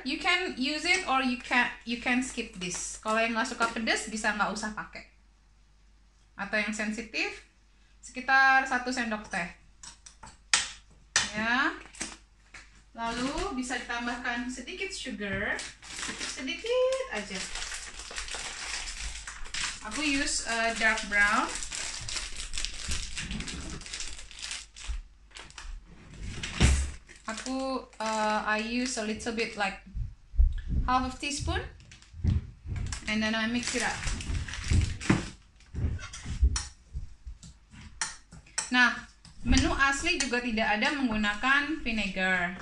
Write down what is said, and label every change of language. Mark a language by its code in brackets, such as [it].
[en] You can use it or you can skip this. [id] Kalau yang nggak suka pedas bisa nggak usah pakai. Atau yang sensitif sekitar 1 sendok teh. Ya. Lalu bisa ditambahkan sedikit sugar, sedikit aja. Aku [en] use dark brown. [id] Aku [en] I use a little bit like half of teaspoon, and then I mix it up. [id] Nah, menu asli juga tidak ada menggunakan vinegar.